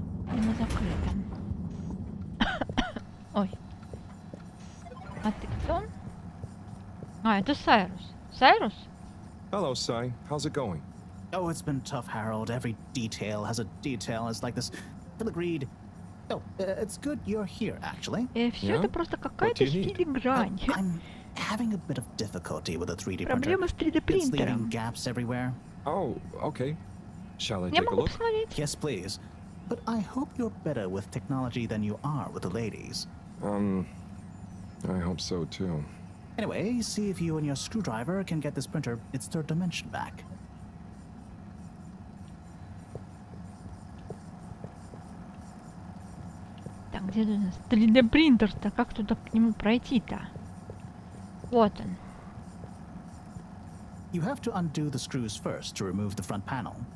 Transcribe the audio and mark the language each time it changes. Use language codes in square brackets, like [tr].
[ru] Мы закрыты. Ой. А ты кто? А, это Сайрус. Сайрус? [en] Hello, Sai. How's it going? Oh, it's been tough, Harold. Every detail has a detail. It's like this filigreed. Oh, it's good you're here, actually. [ru] Все это просто какая-то филигрань. [en] I'm having a bit of difficulty with a 3D [ru] printer. Проблема с 3D принтером. [en] It's leaving gaps everywhere. Oh, okay. Shall I take a look? Yes, please. But I hope you're better with technology than you are with the ladies. I hope so too. Anyway, see if you and your screwdriver can get this printer its third dimension back. [ru] Так, где у нас 3D принтер-то? Как туда к нему пройти-то? Вот он. [en] You have to undo the screws first to remove the front panel.